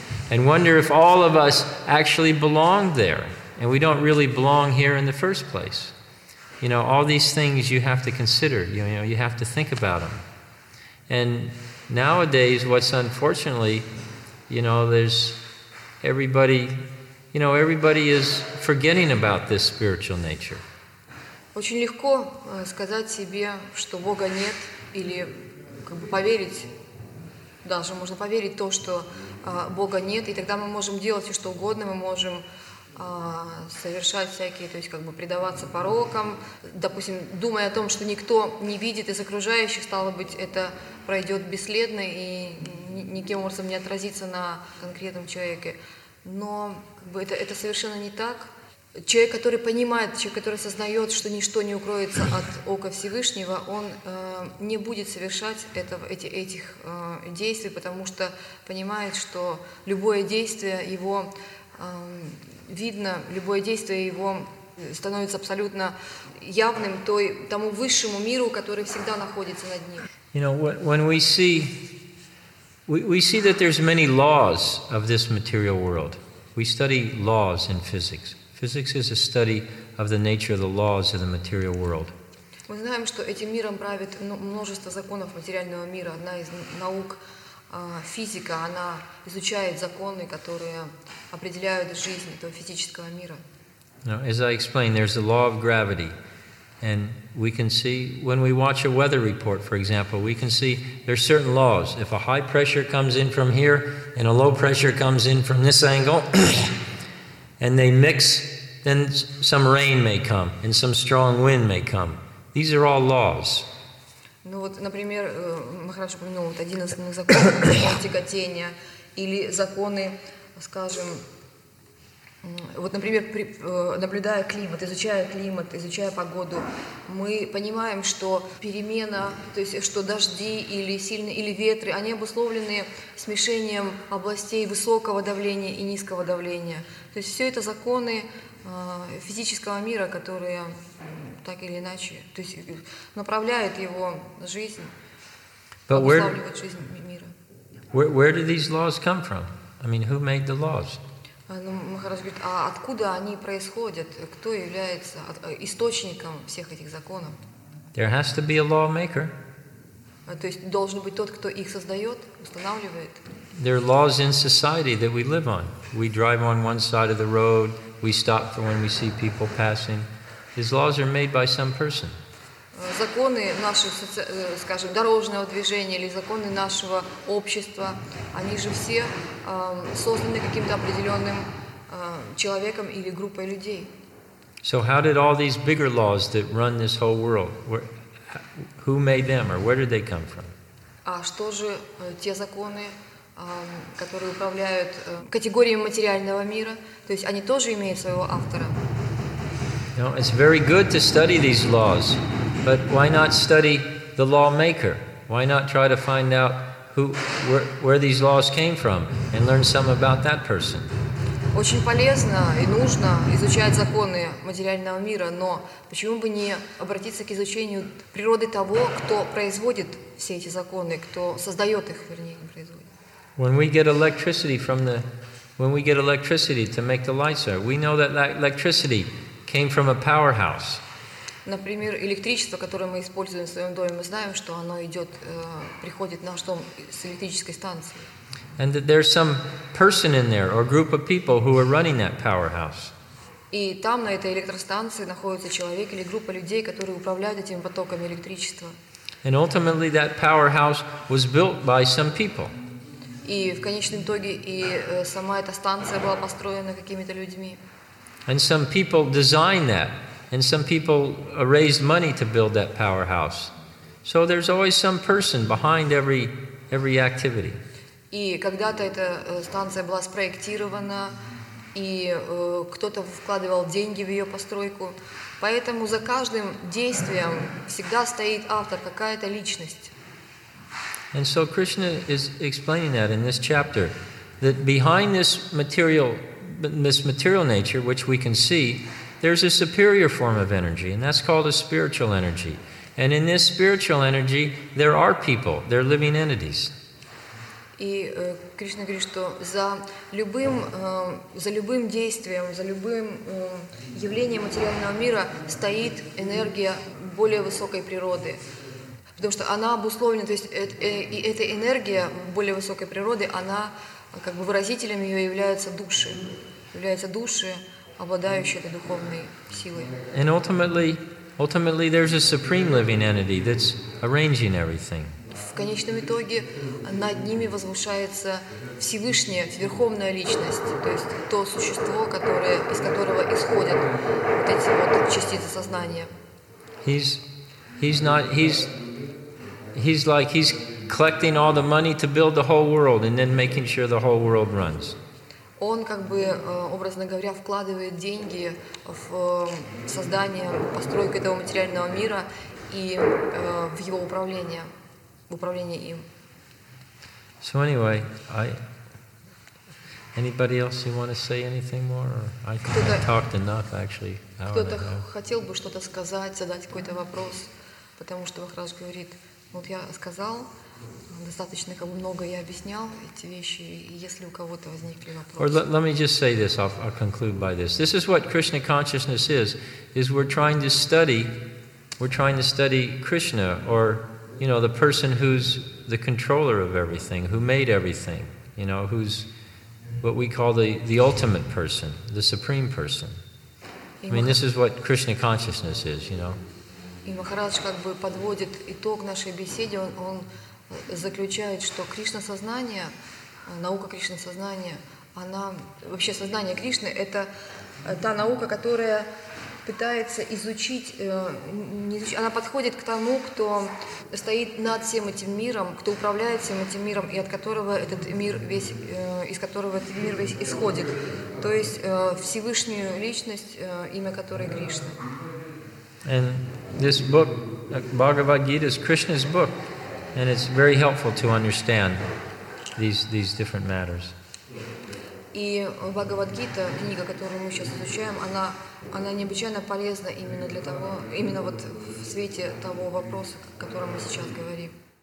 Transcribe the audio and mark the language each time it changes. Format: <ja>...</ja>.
<en>And wonder if all of us actually belong there. And we don't really belong here in the first place. You know, all these things you have to consider. You know, you have to think about them. And nowadays, what's unfortunately, you know, there's everybody, you know, everybody is forgetting about this spiritual nature.</en> <ru>Очень легко сказать себе, что Бога нет, или как бы поверить, даже можно поверить то, что Бога нет, и тогда мы можем делать все, что угодно, мы можем совершать всякие, то есть как бы предаваться порокам, допустим, думая о том, что никто не видит из окружающих, стало быть, это пройдет бесследно и никаким образом не отразится на конкретном человеке. Но как бы, это совершенно не так. Человек, который понимает, человек, который осознает, что ничто не укроется от ока Всевышнего, он не будет совершать этих действий, потому что понимает, что любое действие его видно, любое действие его становится абсолютно явным тому высшему миру, который всегда находится над ним.</ru> <en>You know, when we see that there's many laws of this material world. We study laws in physics. Physics is a study of the nature of the laws of the material world.</en> <ru>Мы знаем, что этим миром правит множество законов материального мира. Одна из наук физика, она изучает законы, которые определяют жизнь этого физического мира.</ru> <en>Now, as I explained, there's the law of gravity. And we can see, when we watch a weather report, for example, we can see there's certain laws. If a high pressure comes in from here and a low pressure comes in from this angle, and they mix, then some rain may come and some strong wind may come. These are all laws.</en> <ru>Ну вот, например, Махарадж упомянул вот один из основных законов, тяготения, или законы, скажем, вот, например, наблюдая климат, изучая погоду, мы понимаем, что перемена, то есть что дожди или сильные, или ветры, они обусловлены смешением областей высокого давления и низкого давления. То есть все это законы физического мира, которые так или иначе, то есть направляют его жизнь, обуславливают жизнь мира.</ru> <en>Where do these laws come from? I mean, who made the laws?</en> <ru>Махарадж говорит, а откуда они происходят? Кто является источником всех этих законов?</ru> <en>There has to be a lawmaker.</en> <ru>То есть должен быть тот, кто их создает, устанавливает.</ru> <en>There are laws in society that we live on. We drive on one side of the road, we stop for when we see people passing. His laws are made by some person.</en> <ru>Законы нашего, скажем, дорожного движения или законы нашего общества, они же все созданы каким-то определенным человеком или группой людей.</ru> <en>So how did all these bigger laws that run this whole world, who made them or where did they come from?</en> <ru>А что же те законы, которые управляют категориями материального мира, то есть они тоже имеют своего автора?</ru> <en>Now, it's very good to study these laws. But why not study the lawmaker? Why not try to find out where these laws came from and learn some about that person?</en> <ru>Очень полезно и нужно изучать законы материального мира, но почему бы не обратиться к изучению природы того, кто производит все эти законы, кто создает их, вернее, не производит.</ru> <en>When we get electricity from the, when we get electricity to make the lights there, we know that electricity came from a powerhouse.</en> <ru>Например, электричество, которое мы используем в своем доме, мы знаем, что оно идет, приходит в наш дом с электрической станции.</ru> <en>And that there's some person in there or group of people who are running that powerhouse.</en> <ru>И там на этой электростанции находится человек или группа людей, которые управляют этими потоками электричества.</ru> <en>And ultimately that powerhouse was built by some people.</en> <ru>И в конечном итоге и сама эта станция была построена какими-то людьми.</ru> <en>And some people designed that. And some people raised money to build that powerhouse. So there's always some person behind every activity.</en> <ru>И когда-то эта станция была спроектирована, и кто-то вкладывал деньги в ее постройку. Поэтому за каждым действием всегда стоит автор, какая-то личность.</ru> <en>And so Krishna is explaining that in this chapter, that behind this material nature, which we can see, there's a superior form of energy, and that's called a spiritual energy. And in this spiritual energy, there are people, there are living entities.</en> <ru>И Кришна говорит, что за любым действием, за любым явлением материального мира стоит энергия более высокой природы. Потому что она обусловлена, то есть эта энергия более высокой природы, она как бы выразителем ее являются души. Обладающий этой духовной силой.</ru> <en>And ultimately there's a supreme living entity that's arranging everything.</en> <ru>В конечном итоге над ними возвышается Всевышняя, Верховная Личность, то есть то существо, которое, из которого исходят вот эти вот частицы сознания.</ru> <en>He's collecting all the money to build the whole world and then making sure the whole world runs.</en> <ru>Он, как бы, образно говоря, вкладывает деньги в создание, в постройку этого материального мира и в его управление, в управление им.</ru> <en>So anyway, anybody else who want to say anything more? I talked enough, actually.</en> <ru>Кто-то хотел бы что-то сказать, задать какой-то вопрос, потому что Махарадж говорит, вот я сказал... Достаточно, как бы много я объяснял эти вещи, и если у кого-то возникли вопросы.</ru> <en>Or let me just say this, I'll conclude by this. This is what Krishna consciousness is we're trying to study Krishna, or, you know, the person who's the controller of everything, who made everything, you know, who's what we call the ultimate person, the supreme person. I mean, this is what Krishna consciousness is, you know.</en> <ru>И Махарадж как бы подводит итог нашей беседе, он заключает, что Кришна-сознание, наука Кришна-сознания, она, вообще сознание Кришны, это та наука, которая пытается изучить, она подходит к тому, кто стоит над всем этим миром, кто управляет всем этим миром, и от которого этот мир весь, из которого этот мир весь исходит. То есть Всевышнюю Личность, имя которой Кришна.</ru> <en>And this book, Bhagavad Gita, is Krishna's book. And it's very helpful to understand these different matters.</en> <ru>И Бхагавад-гита, книга, которую мы сейчас изучаем, она необычайно полезна именно для того, именно вот в свете того вопроса, о котором мы сейчас говорим.</ru>